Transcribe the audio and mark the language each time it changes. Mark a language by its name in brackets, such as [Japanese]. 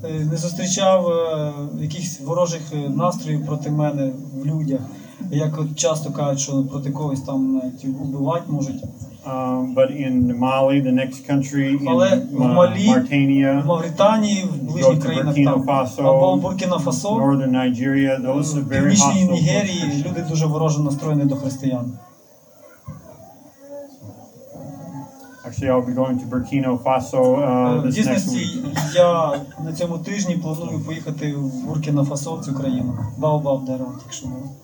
[Ukrainian] не зустрічав якихось ворожих настроїв проти мене в людях, як от часто кажуть, що проти когось там навіть вбивати можуть. [English] But in Mali, the next country, Mauritania, Mauritania, Burkina Faso, Northern Nigeria, those are very hostile. [Ukrainian] Північній Нігерії люди дуже вороже настроєні до християн. [English] Actually, I'll be going to Burkina Faso this next week. [Ukrainian] Я на цьому тижні планую поїхати в Буркіна Фасо, в цю країну. Баобаб дерево, так що мова.